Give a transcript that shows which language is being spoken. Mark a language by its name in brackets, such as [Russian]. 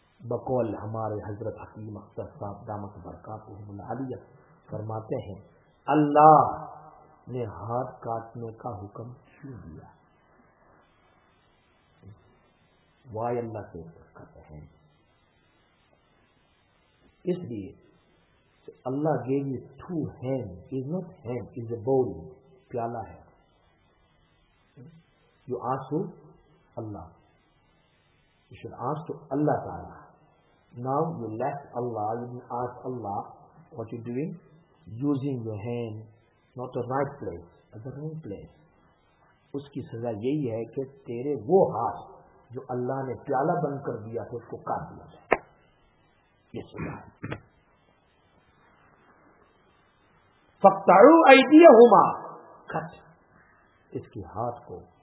[Urdu] بقول ہمارے حضرت حکیم اختر صاحب دامت برکاتہم العلیہ فرماتے ہیں, اللہ نے ہاتھ کاٹنے کا حکم کیوں دیا؟ وائے اللہ سے کہتے ہیں, اس لیے اللہ [English] gave you two hands, is not hand, is a bowl, [Urdu] پیالہ ہے. [English] You ask to Allah, you should ask to Allah تعالی. Now you left Allah, you didn't ask Allah, what you doing? Using your hand, not the right place, at the wrong place. [Urdu] اس کی سزا یہی ہے کہ تیرے وہ ہاتھ جو اللہ نے پیالہ بن کر دیا تھا اس کو کاٹ دیا جائے. [Arabic] فقطعوا ایدیہما, [Urdu] کٹ اس کے ہاتھ کو.